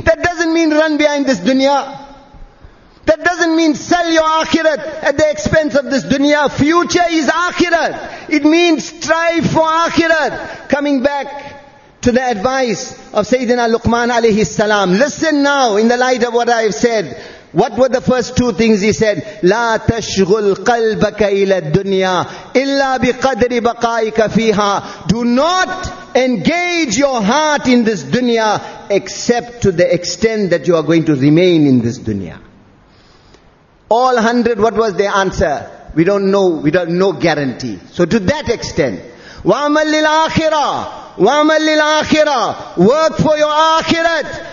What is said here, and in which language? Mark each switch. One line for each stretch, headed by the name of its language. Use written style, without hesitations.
English: That doesn't mean run behind this dunya. That doesn't mean sell your akhirat at the expense of this dunya. Future is akhirat. It means strive for akhirat. Coming back to the advice of Sayyidina Luqman alayhi salam. Listen now in the light of what I have said. What were the first two things he said?
Arabic: لا تشغل قلبك إلى الدنيا إلا بقدر بقائك فيها.
English: Do not engage your heart in this dunya except to the extent that you are going to remain in this dunya. All 100, what was their answer? We don't know, we don't have no guarantee. So to that extent.
Arabic: وَعْمَلْ لِلْآخِرَةِ وَعْمَلْ لِلْآخِرَةِ
English: Work for your akhirat.